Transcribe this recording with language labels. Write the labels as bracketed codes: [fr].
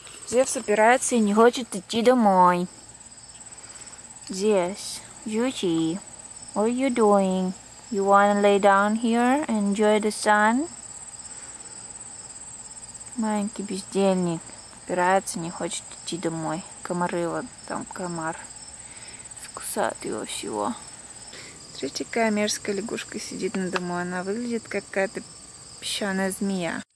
[ru] Зевс упирается и не хочет идти домой. [en] Зевс, Юджи, what are you doing? You wanna lay down here and enjoy the sun? [ru] Маленький бездельник упирается, не хочет идти домой. Комары, вот там комар. Скусает его всего. Смотрите, какая мерзкая лягушка сидит на дому. Она выглядит как какая-то песчаная змея.